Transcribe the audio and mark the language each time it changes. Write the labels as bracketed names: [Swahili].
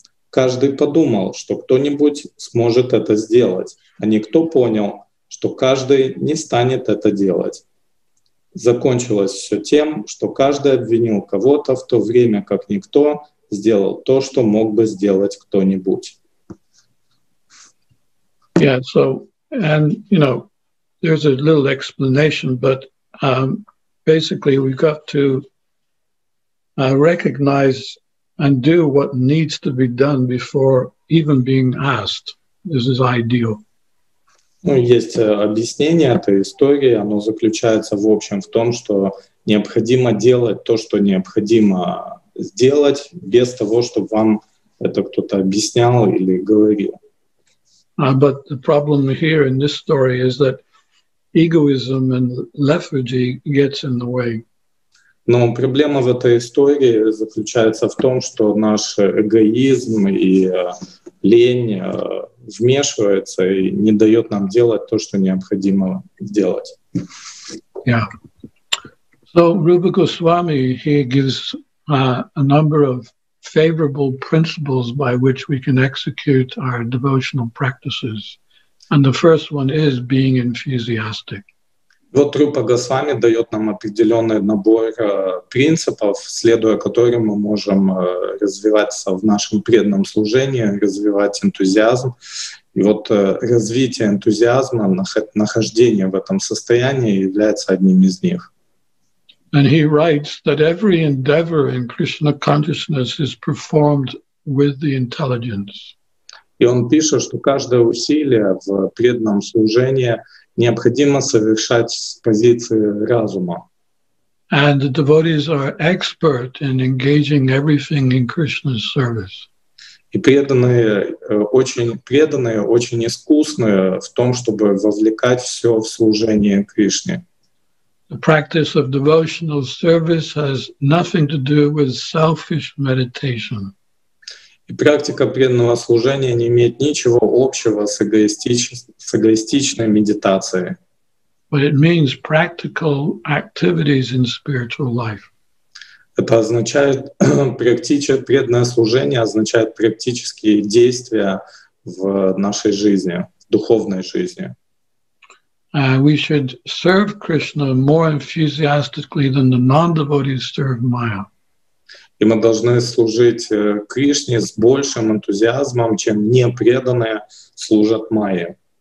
[Russian] Каждый подумал, что кто-нибудь сможет это сделать, а никто понял, что каждый не станет это делать. Закончилось все тем, что каждый обвинил кого-то, в то время как никто сделал то, что мог бы сделать кто-нибудь. [English] Yeah, so, and, you know, there's a little explanation, but basically we've got to recognize and do what needs to be done before even being asked. This is ideal. [Russian] Ну, есть объяснение этой истории. Оно заключается в общем в том, что необходимо делать то, что необходимо сделать, без того, чтобы вам это кто-то объяснял или говорил. [English] But the problem here in this story is that egoism and lethargy gets in the way. [Russian] Но проблема в этой истории заключается в том, что наш эгоизм и лень вмешивается и не дает нам делать то, что необходимо сделать. [English] Yeah. So Rupa Goswami, he gives a number of favorable principles by which we can execute our devotional practices. And the first one is being enthusiastic. [Russian] Вот Рупа Госвами дает нам определенный набор принципов, следуя которым мы можем развиваться в нашем преданном служении, развивать энтузиазм. И вот развитие энтузиазма, нахождение в этом состоянии является одним из них. [English] And he writes that every endeavor in Krishna consciousness is performed with the intelligence. [Russian] И он пишет, что каждое усилие в преданном служении необходимо совершать с позиции разума. [English] And the devotees are expert in engaging everything in Krishna's service. [Russian] И преданные, очень искусные в том, чтобы вовлекать все в служение Кришне. [English] The practice of devotional service has nothing to do with selfish meditation. [Russian] И практика преданного служения не имеет ничего общего с эгоистичной медитацией. [English] But it means practical activities in spiritual life. [Russian] Это означает преданное служение означает практические действия в нашей жизни, в духовной жизни. [English] We should serve Krishna more enthusiastically than the non-devotees serve Maya. [Russian] И мы должны служить Кришне с большим энтузиазмом, чем непреданные служат Майе.